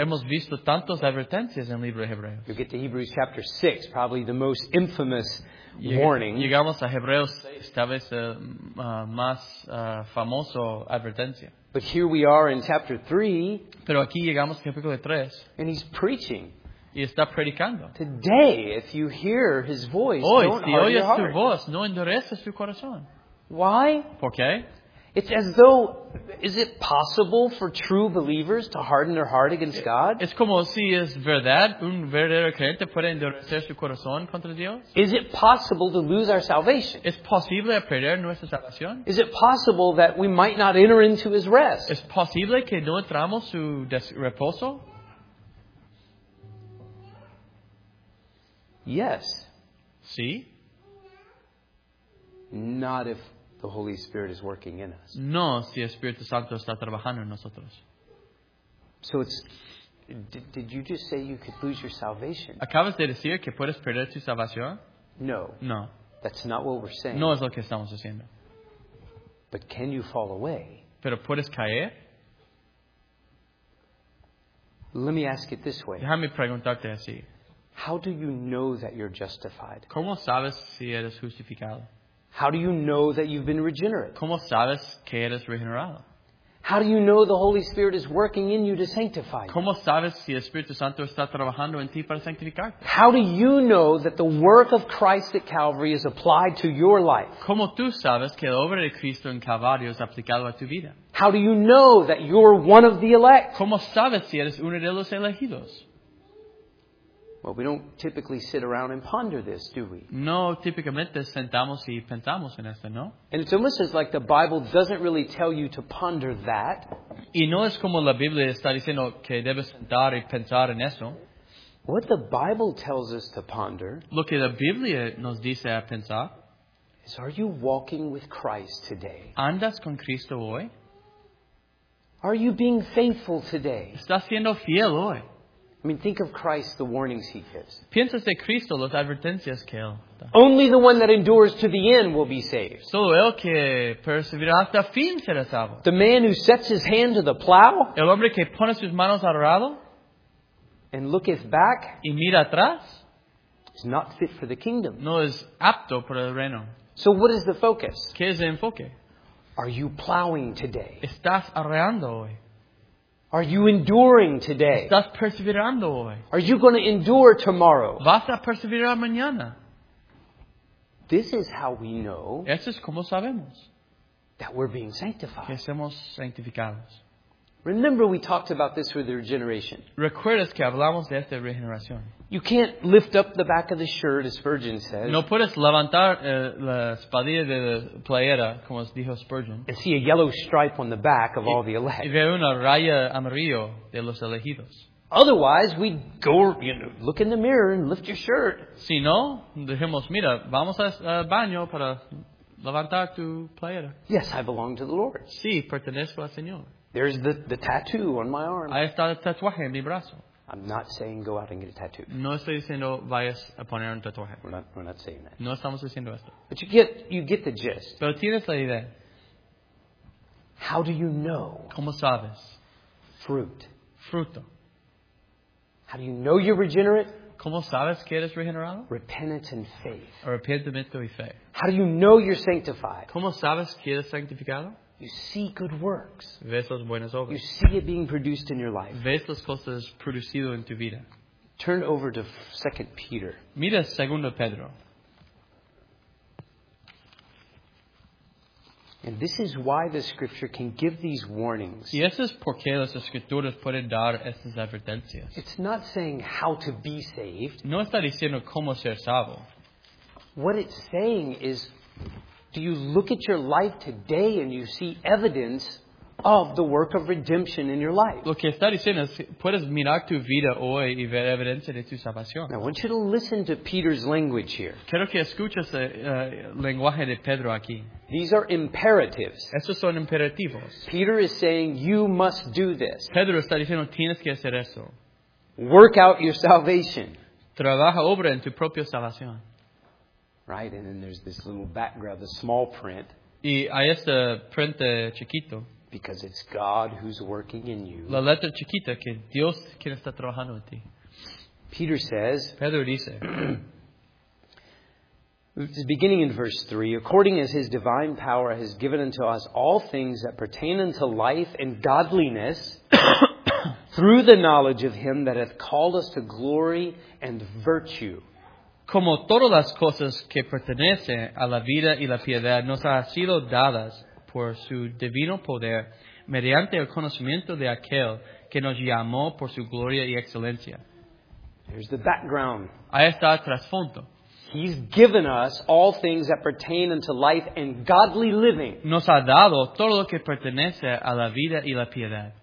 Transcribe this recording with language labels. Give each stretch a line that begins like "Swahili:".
Spanish: Hemos visto tantas advertencias en el libro de Hebreos.
English: You get to Hebrews chapter 6, probably the most infamous warning.
Spanish: Llegamos a Hebreos 6, tal vez más famoso advertencia.
English: But here we are in chapter 3.
Spanish: Pero aquí llegamos al capítulo 3.
English: And he's preaching.
Spanish: Y está predicando.
English: Today, if you hear his voice,
Spanish: hoy,
English: don't
Spanish: si
English: harden
Spanish: oyes
English: your heart.
Spanish: Su voz, no endureces su corazón.
English: Why?
Spanish: ¿Por qué?
English: It's as though, is it possible for true believers to harden their heart against God?
Spanish: Es como si es verdad, un verdadero creyente puede endurecer su corazón contra Dios.
English: Is it possible to lose our salvation?
Spanish: Es posible perder nuestra salvación.
English: Is it possible that we might not enter into his rest?
Spanish: Es posible que no entramos su reposo.
English: Yes. See?
Spanish: ¿Sí?
English: Not if the Holy Spirit is working in us.
Spanish: No, si el Espíritu Santo está trabajando en nosotros.
English: So it's... Did you just say you could lose your salvation?
Spanish: ¿Acabas de decir que puedes perder tu salvación?
English: No.
Spanish: No.
English: That's not what we're saying.
Spanish: No es lo que estamos haciendo.
English: But can you fall away?
Spanish: ¿Pero puedes caer?
English: Let me ask it this way.
Spanish: Déjame preguntarte así.
English: How do you know that you're justified?
Spanish: ¿Cómo sabes si eres justificado?
English: How do you know that you've been regenerate?
Spanish: ¿Cómo sabes que eres regenerado?
English: How do you know the Holy Spirit is working in you to sanctify you?
Spanish: ¿Cómo sabes si el Espíritu Santo está trabajando en ti para sanctificarte?
English: How do you know that the work of Christ at Calvary is applied to your life?
Spanish: ¿Cómo tú sabes que la obra de Cristo en Calvario es aplicada a tu vida?
English: How do you know that you're one of the elect?
Spanish: ¿Cómo sabes si eres uno de los elegidos?
English: Well, we don't typically sit around and ponder this, do we?
Spanish: No, típicamente sentamos y pensamos en esto, ¿no?
English: And it's almost as like the Bible doesn't really tell you to ponder that.
Spanish: Y no es como la Biblia está diciendo que debes sentar y pensar en eso.
English: What the Bible tells us to ponder,
Spanish: lo que la Biblia nos dice a pensar,
English: is, are you walking with Christ today?
Spanish: ¿Andas con Cristo hoy?
English: Are you being faithful today?
Spanish: ¿Estás siendo fiel hoy?
English: I mean, think of Christ, the warnings he gives.
Spanish: Piensas de Cristo, las advertencias que él da.
English: Only the one that endures to the end will be saved.
Spanish: Solo el que perseverará hasta fin será salvo.
English: The man who sets his hand to the plow.
Spanish: El hombre que pone sus manos al arado.
English: And looketh back.
Spanish: Y mira atrás.
English: Is not fit for the kingdom.
Spanish: No es apto para el reino.
English: So what is the focus?
Spanish: ¿Qué es el enfoque?
English: Are you plowing today?
Spanish: ¿Estás arreando hoy?
English: Are you enduring today?
Spanish: ¿Estás perseverando hoy?
English: Are you going to endure tomorrow?
Spanish: ¿Vas a perseverar mañana?
English: This is how we know.
Spanish: Eso es como sabemos.
English: That we're being sanctified.
Spanish: Que somos sanctificados.
English: Remember we talked about this with the regeneration.
Spanish: ¿Recuerdas que hablamos de esta regeneración?
English: You can't lift up the back of the shirt, as Spurgeon says.
Spanish: No puedes levantar la espadilla de la playera, como dijo Spurgeon.
English: And see a yellow stripe on the back of all the elect.
Spanish: Y ver una raya amarillo de los elegidos.
English: Otherwise, we'd go, you know, look in the mirror and lift your shirt.
Spanish: Si no, dijimos, mira, vamos al baño para levantar tu playera.
English: Yes, I belong to the Lord.
Spanish: Sí, pertenezco al Señor.
English: There's the tattoo on my arm.
Spanish: Ahí está el tatuaje en mi brazo.
English: I'm not saying go out and get a tattoo.
Spanish: No estoy diciendo vayas a poner un tatuaje.
English: We're not saying that.
Spanish: No estamos diciendo esto.
English: But you get the gist.
Spanish: Pero tienes la idea.
English: How do you know?
Spanish: ¿Cómo sabes?
English: Fruit.
Spanish: Fruto.
English: How do you know you're regenerate?
Spanish: ¿Cómo sabes que eres regenerado?
English: Repentance and faith.
Spanish: Arrepentimiento y fe.
English: How do you know you're sanctified?
Spanish: ¿Cómo sabes que eres santificado?
English: You see good works.
Spanish: Ves las buenas obras.
English: You see it being produced in your life.
Spanish: Ves las cosas producido en tu vida.
English: Turn over to 2 Peter.
Spanish: Mira 2 Pedro.
English: And this is why the scripture can give these warnings.
Spanish: Y eso es porque las escrituras pueden dar estas advertencias.
English: It's not saying how to be saved.
Spanish: No está diciendo cómo ser salvo.
English: What it's saying is, do you look at your life today and you see evidence of the work of redemption in your life?
Spanish: Lo que está diciendo es, puedes mirar tu vida hoy y ver evidencia de tu salvación.
English: Now, I want you to listen to Peter's language here.
Spanish: Quiero que escuches el lenguaje de Pedro aquí.
English: These are imperatives.
Spanish: Estos son imperativos.
English: Peter is saying, you must do this.
Spanish: Pedro está diciendo, tienes que hacer eso.
English: Work out your salvation.
Spanish: Trabaja, obra en tu propia salvación.
English: Right, and then there's this little background, the small print.
Spanish: Y hay este prente chiquito.
English: Because it's God who's working in you.
Spanish: La letra chiquita, que Dios quien está trabajando en ti.
English: Peter says,
Spanish: Pedro dice,
English: beginning in verse 3, according as his divine power has given unto us all things that pertain unto life and godliness, through the knowledge of him that hath called us to glory and virtue.
Spanish: Como todas las cosas que pertenecen a la vida y la piedad nos han sido dadas por su divino poder mediante el conocimiento de aquel que nos llamó por su gloria y excelencia.
English: Here's the background.
Spanish: Ahí está el trasfondo.
English: He's given us all things that pertain unto life and godly living.
Spanish: Nos ha dado todo lo que pertenece a la vida y la piedad.